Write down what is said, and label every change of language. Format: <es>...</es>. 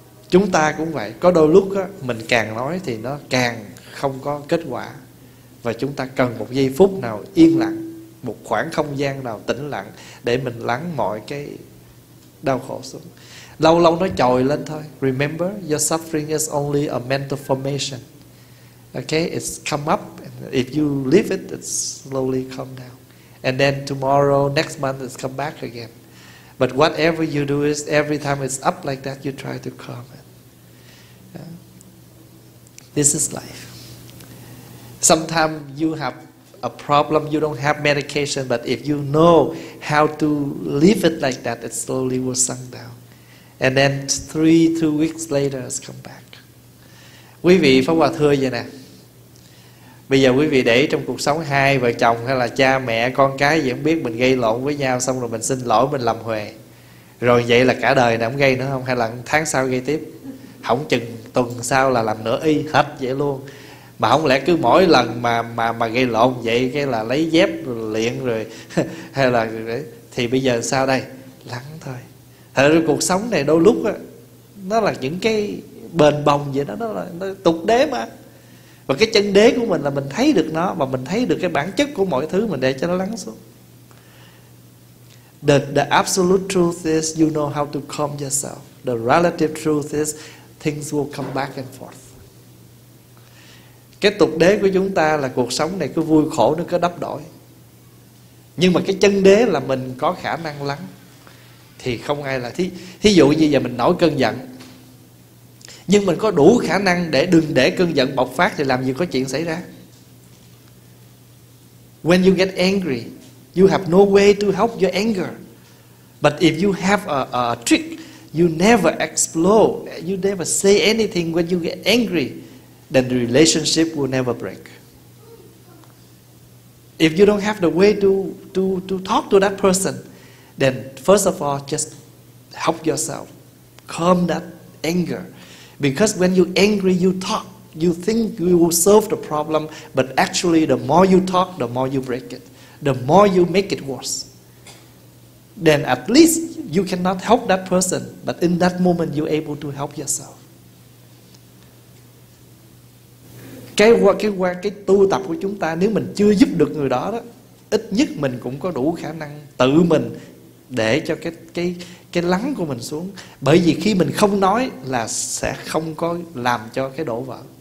<vi>Chúng ta cũng vậy, có đôi lúc á, mình càng nói thì nó càng không có kết quả. Và chúng ta cần một giây phút nào yên lặng, một khoảng không gian nào tĩnh lặng để mình lắng mọi cái đau khổ xuống. Lâu lâu nó chồi lên thôi.</vi> <en>Remember, your suffering is only a mental formation. Okay, it's come up. If you leave it, it's slowly come down. And then tomorrow, next month, it's come back again. But whatever you do is, every time it's up like that, you try to calm it. Yeah. This is life. Sometimes you have a problem, you don't have medication, but if you know how to leave it like that, it slowly will sink down. And then 3-2 weeks later, it's come back.</en> <vi>Quý vị Pháp Hòa thưa vậy nè. Bây giờ quý vị để trong cuộc sống hai vợ chồng hay là cha mẹ con cái gì không biết, mình gây lộn với nhau xong rồi mình xin lỗi, mình làm huề. Rồi vậy là cả đời này không gây nữa không? Hay là tháng sau gây tiếp? Không chừng tuần sau là làm nữa y hết vậy luôn. Mà không lẽ cứ mỗi lần mà gây lộn vậy cái là lấy dép luyện rồi hay là thì bây giờ sao đây? Lắng thôi. Thật ra cuộc sống này đôi lúc đó, nó là những cái bền bồng vậy đó, nó tục đế mà. Và cái chân đế của mình là mình thấy được nó, mà mình thấy được cái bản chất của mọi thứ, mình để cho nó lắng xuống.</vi> <en>The absolute truth is you know how to calm yourself. The relative truth is things will come back and forth.</en> <vi>Cái tục đế của chúng ta là cuộc sống này cứ vui khổ, nó cứ đắp đổi. Nhưng mà cái chân đế là mình có khả năng lắng. Thì không ai là thí dụ như giờ mình nổi cơn giận, nhưng mình có đủ khả năng để đừng để cơn giận bộc phát thì làm gì có chuyện xảy ra.</vi> <en>When you get angry, you have no way to help your anger. But if you have a trick, you never explode, you never say anything when you get angry, then the relationship will never break. If you don't have the way to talk to that person, then first of all, just help yourself calm that anger. Because when you're angry, you talk, you think you will solve the problem, but actually the more you talk, the more you break it, the more you make it worse. Then at least you cannot help that person, but in that moment you're able to help yourself.</en> <vi>Cái tu tập của chúng ta, nếu mình chưa giúp được người đó, ít nhất mình cũng có đủ khả năng tự mình để cho cái lắng của mình xuống. Bởi vì khi mình không nói là sẽ không có làm cho cái đổ vỡ.</vi>